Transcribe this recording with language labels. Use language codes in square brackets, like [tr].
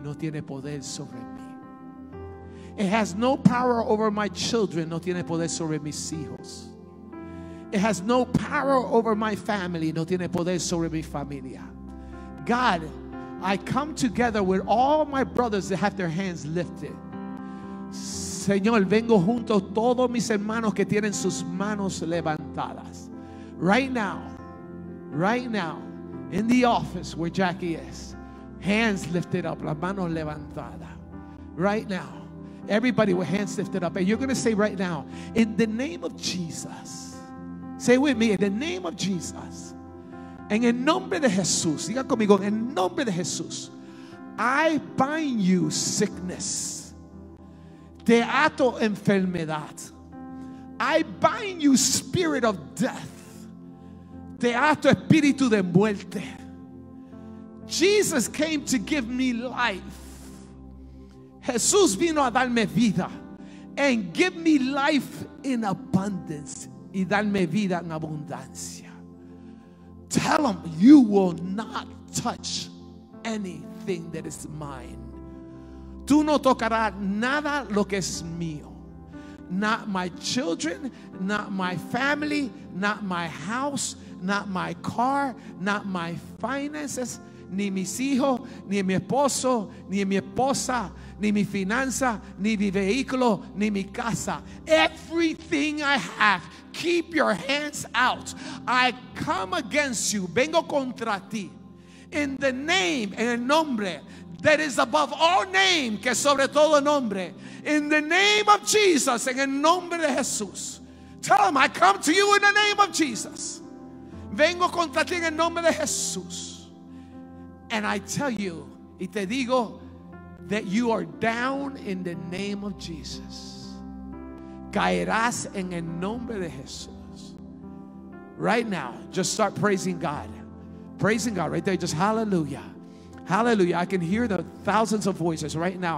[es] No tiene poder sobre mí. [en] It has no power over my children. [es] No tiene poder sobre mis hijos. [en] It has no power over my family. [es] No tiene poder sobre mi familia. [en] God, I come together with all my brothers that have their hands lifted. [es] Señor, vengo junto a todos mis hermanos que tienen sus manos levantadas. [en] Right now, in the office where Jackie is, hands lifted up, [es] la mano levantada. [en] Right now, everybody with hands lifted up. And you're going to say right now, in the name of Jesus, say with me, in the name of Jesus, [es] en el nombre de Jesús, [en] diga conmigo, en el nombre de Jesús, I bind you sickness, [es] te ato enfermedad, [en] I bind you spirit of death, [es] te ato espíritu de muerte, [en] Jesus came to give me life. [es] Jesús vino a darme vida. [en] And give me life in abundance. [es] Y darme vida en abundancia. [en] Tell him you will not touch anything that is mine. [es] Tú no tocarás nada lo que es mío. [en] Not my children, not my family, not my house, not my car, not my finances, [es] ni mis hijos, ni mi esposo, ni mi esposa, ni mi finanza, ni mi vehículo, ni mi casa. [en] Everything I have, keep your hands out. I come against you, [es] vengo contra ti. [en] In the name, [es] en el nombre, [en] that is above all name, [es] que sobre todo nombre. [en] In the name of Jesus, [es] en el nombre de Jesús. [en] Tell him, I come to you in the name of Jesus. [es] Vengo contra ti en el nombre de Jesús. [en] And I tell you, [es] y te digo, [en] that you are down in the name of Jesus. [es] Caerás en el nombre de Jesús. [en] Right now, just start praising God. Praising God right there, just hallelujah. Hallelujah. I can hear the thousands of voices right now.